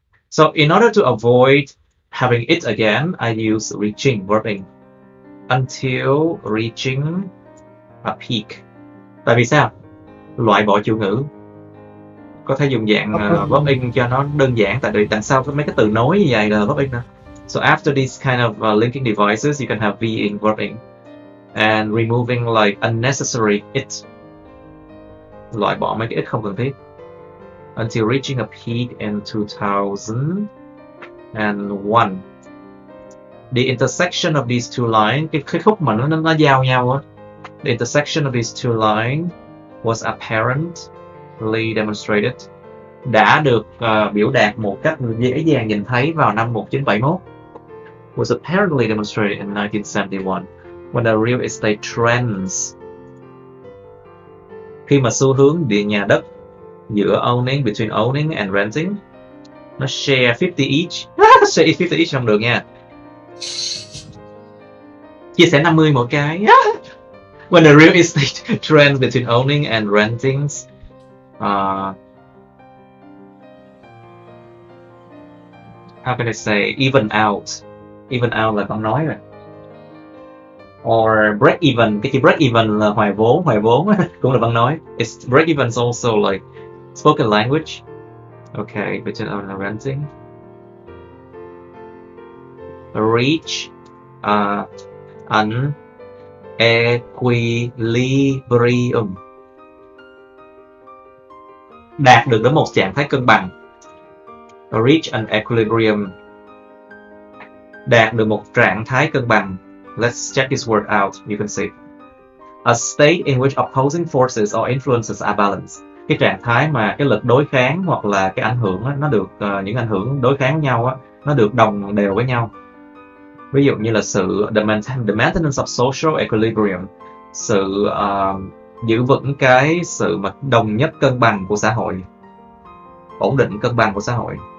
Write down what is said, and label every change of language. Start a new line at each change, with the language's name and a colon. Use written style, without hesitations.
English: So in order to avoid having it again, I use reaching, verbing. Until reaching a peak.
Vietnamese: Tại vì sao? Loại bỏ chủ ngữ. Có thể dùng dạng verbing cho nó đơn giản. Tại vì tại sao mấy cái từ nối như vậy là verbing nữa.
English: So after these kind of linking devices, you can have V in verbing. And removing like unnecessary it.
Vietnamese: Loại bỏ mấy cái it không cần thiết.
English: Until reaching a peak in 2001. The intersection of these two lines,
Vietnamese: cái khúc mà nó giao nhau á.
English: The intersection of these two lines was apparently demonstrated.
Vietnamese: Đã được biểu đạt một cách dễ dàng nhìn thấy vào năm 1971.
English: Was apparently demonstrated in 1971 when the real estate trends.
Vietnamese: Khi mà xu hướng địa nhà đất giữa owning,
English: between owning and renting,
Vietnamese: nó share 50 each.
English: Share 50 each
Vietnamese: không được nha. Chia sẻ 50 mỗi cái.
English: When the real estate trends between owning and renting how can I say, even out
Vietnamese: là không nói rồi.
English: Or break even,
Vietnamese: cái chữ break even là hoài vốn cũng là văn nói.
English: It's break even is also like spoken language. Okay, between owning and renting. Reach an equilibrium.
Vietnamese: Đạt được đến một trạng thái cân bằng.
English: Reach an equilibrium.
Vietnamese: Đạt được một trạng thái cân bằng.
English: Let's check this word out. You can see a state in which opposing forces or influences are balanced.
Vietnamese: Cái trạng thái mà cái lực đối kháng hoặc là cái ảnh hưởng á, nó được những ảnh hưởng đối kháng với nhau á, nó được đồng đều với nhau. Ví dụ như là sự
English: the maintenance of social equilibrium,
Vietnamese: sự giữ vững cái sự mà đồng nhất cân bằng của xã hội, ổn định cân bằng của xã hội.